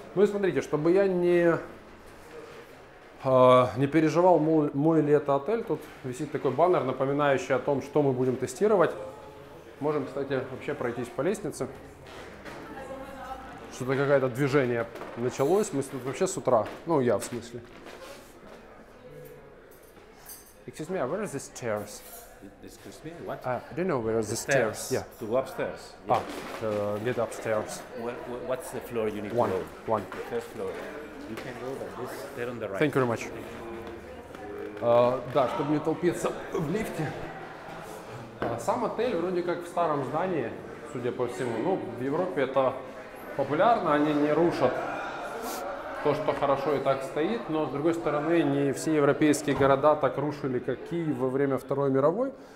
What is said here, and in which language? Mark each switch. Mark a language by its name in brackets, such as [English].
[Russian] Ну и смотрите, чтобы я не переживал, мой ли это отель, тут висит такой баннер, напоминающий о том, что мы будем тестировать. Можем, кстати, вообще пройтись по лестнице. Что-то какое-то движение началось. Мы тут вообще с утра. Ну, я в смысле. [English] Excuse me, where are the stairs? Excuse me, what? I don't know where are the stairs. Yeah. To go upstairs? Yes. Ah, to get upstairs. What's the floor you need one, to go? One. The first floor. You can go by this, there on the right. Thank you very much. [Russian] Да, чтобы не толпиться в лифте. Сам отель вроде как в старом здании, судя по всему. Ну, в Европе это популярно, они не рушат то, что хорошо и так стоит. Но, с другой стороны, не все европейские города так рушили, как Киев во время Второй мировой.